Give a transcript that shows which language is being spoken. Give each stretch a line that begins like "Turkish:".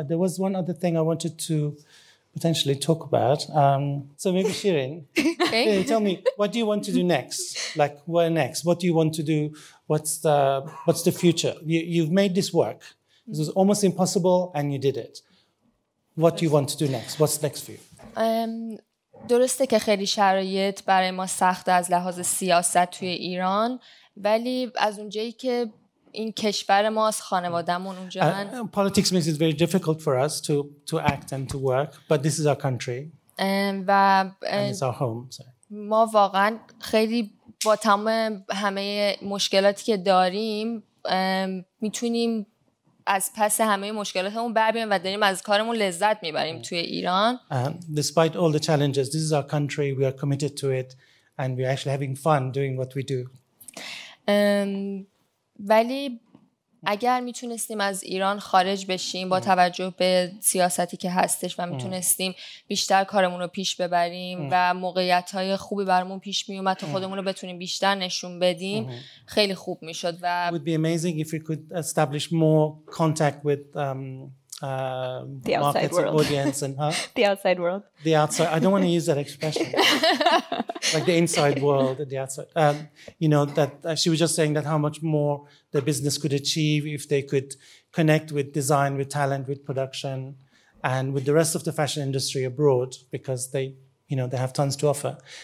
English: There was one other thing I wanted to potentially talk about. So maybe Shirin, okay. Tell me, what do you want to do next? Like, where next? What do you want to do? What's the future? You've made this work. This was almost impossible, and you did it. What do you want to do next? What's next for you?
Persian: درسته که خیلی شرایط برای ما سخت از لحاظ سیاست توی ایران، ولی از اونجایی که این کشور ماست، خانوادهمون اونجا هستن.
English: Politics makes it very difficult for us to act and to work, but this is our country. And it's our home.
Persian: ما واقعا خیلی با تمام همه مشکلاتی که داریم میتونیم از پس همه مشکلاتمون بریم و داریم از کارمون لذت میبریم توی ایران.
English: Despite all the challenges, this is our country, we are committed to it and we are actually having fun doing what we do.
Persian: ولی اگر میتونستیم از ایران خارج بشیم با توجه به سیاستی که هستش و میتونستیم بیشتر کارمون رو پیش ببریم و موقعیت‌های خوبی برامون پیش میومد تا خودمون رو بتونیم بیشتر نشون بدیم، خیلی خوب میشد. و
English: It would be amazing if we could establish more contact with the outside markets world. Audience and the outside world. The outside. I don't want to use that expression. Like the inside world and the outside. You know, that she was just saying that how much more the business could achieve if they could connect with design, with talent, with production, and with the rest of the fashion industry abroad, because they, you know, they have tons to offer.